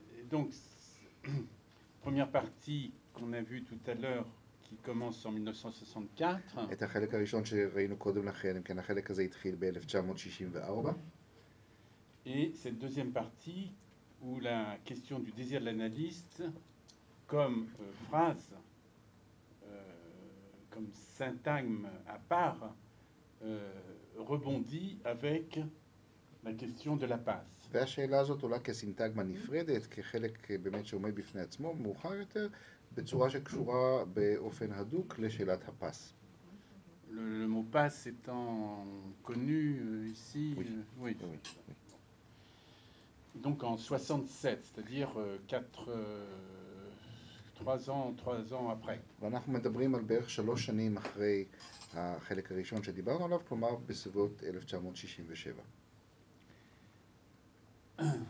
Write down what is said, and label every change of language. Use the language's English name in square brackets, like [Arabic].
[French] Donc, première partie qu'on a vue tout à l'heure, qui commence en 1964. Et le [Hebrew] חלק הראשון שראינו קודם לכן, כן, החלק הזה התחיל ב-1964. [French] Et cette deuxième partie, où la question du désir de l'analyste, comme phrase, comme syntagme à part, rebondit avec la question de la passe. Et la question est là comme syntagme nifrede, comme un moment qui est en train de se faire, plus tard, de façon qui est connue dans la question de la passe. Le mot passe étant connu ici. Oui. Oui. Oui. Donc en 67, c'est-à-dire 3 ans après. [Hebrew] ואנחנו מדברים על בערך 3 שנים אחרי החלק הראשון שדיברנו עליו, כלומר בסביבות 1967.